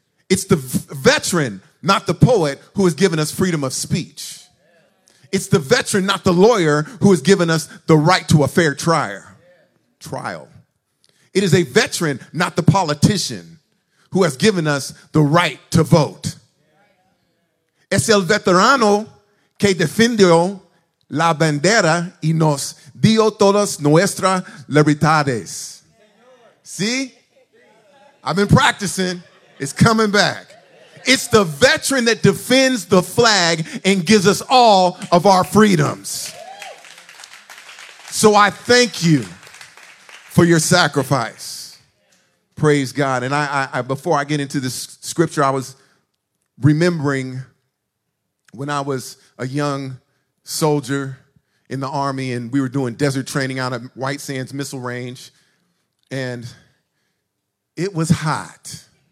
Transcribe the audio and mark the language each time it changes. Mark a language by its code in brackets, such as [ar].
[en] It's the veteran, not the poet, who has given us freedom of speech. It's the veteran, not the lawyer, who has given us the right to a fair trial. It is a veteran, not the politician, who has given us the right to vote. [es] Es el veterano que defendió la bandera y nos dio todas nuestras libertades. [en] See? I've been practicing. It's coming back. It's the veteran that defends the flag and gives us all of our freedoms. So I thank you for your sacrifice. Praise God. And I before I get into this scripture, I was remembering when I was a young soldier in the Army, and we were doing desert training out at White Sands Missile Range, and it was hot.